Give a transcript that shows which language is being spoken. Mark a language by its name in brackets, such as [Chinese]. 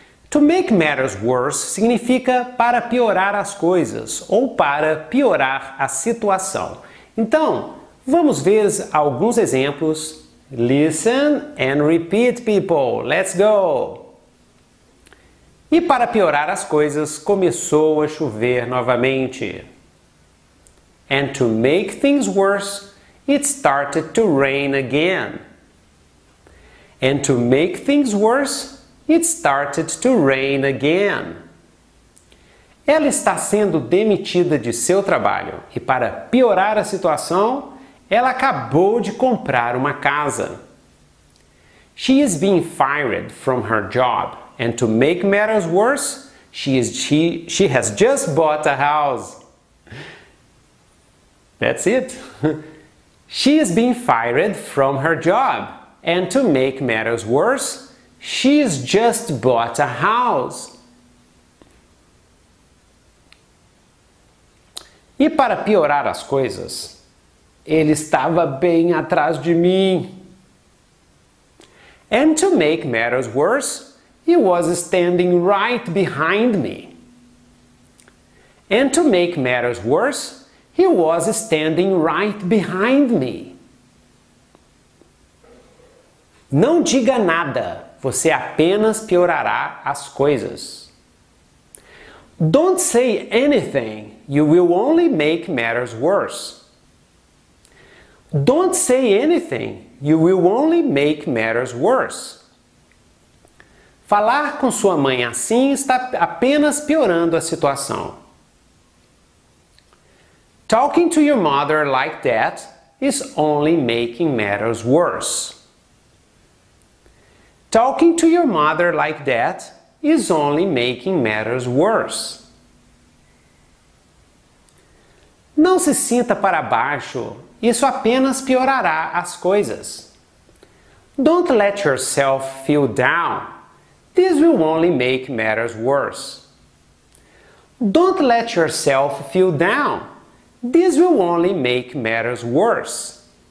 [English] To make matters worse [Portuguese] significa para piorar as coisas ou para piorar a situação. Então, vamos ver alguns exemplos. [English] Listen and repeat, people. Let's go! [Portuguese] E para piorar as coisas, começou a chover novamente. [English] And to make things worse, it started to rain again. And to make things worse, it started to rain again. [Portuguese] Ela está sendo demitida de seu trabalho. E para piorar a situação, ela acabou de comprar uma casa. [English] She is being fired from her job. And to make matters worse, she has just bought a house. That's it. She is being fired from her job. And to make matters worse, she has just bought a house. [Portuguese] E para piorar as coisas, ele estava bem atrás de mim. [English] And to make matters worse, he was standing right behind me. And to make matters worse, he was standing right behind me. [Portuguese] Não diga nada, você apenas piorará as coisas. [English] Don't say anything, you will only make matters worse. Don't say anything, you will only make matters worse. [Portuguese] Falar com sua mãe assim está apenas piorando a situação. [English] Talking to your mother like that is only making matters worse. Talking to your mother like that is only making matters worse. [Portuguese] Não se sinta para baixo, isso apenas piorará as coisas. [English] Don't let yourself feel down. This will only make matters worse. Don't let yourself feel down. This will only make matters worse.